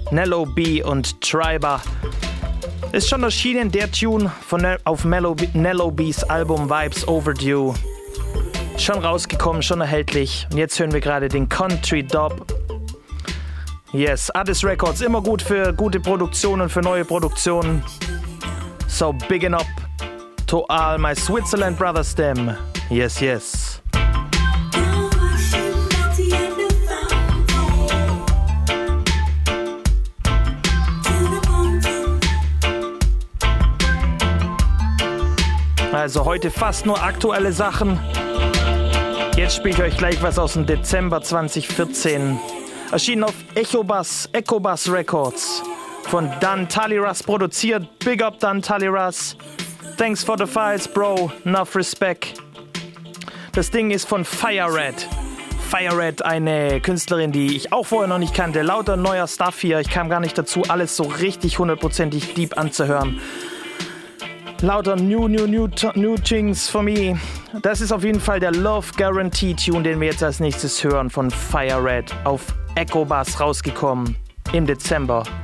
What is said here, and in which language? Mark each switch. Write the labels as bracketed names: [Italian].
[German] Nello B und Triber. Ist schon erschienen der Tune von auf Nello B's Album Vibes Overdue. Schon rausgekommen, schon erhältlich. Und jetzt hören wir gerade den Country Dub. Yes, Addis Records, immer gut für gute Produktionen, für neue Produktionen. [English] So biggin' up to all my Switzerland brothers them. Yes, yes. [German] Also heute fast nur aktuelle Sachen. Jetzt spiele ich euch gleich was aus dem Dezember 2014. Erschienen auf Echobus Records. Von Dan Taliras produziert. [English] Big up Dan Taliras. Thanks for the files, bro. Enough respect. [German] Das Ding ist von Fire Red. Fire Red, eine Künstlerin, die ich auch vorher noch nicht kannte. Lauter neuer Stuff hier. Ich kam gar nicht dazu, alles so richtig hundertprozentig deep anzuhören. Lauter [English] new things for me. [German] Das ist auf jeden Fall der Love Guarantee Tune, den wir jetzt als nächstes hören von Fire Red. Auf Echo Bass rausgekommen im Dezember.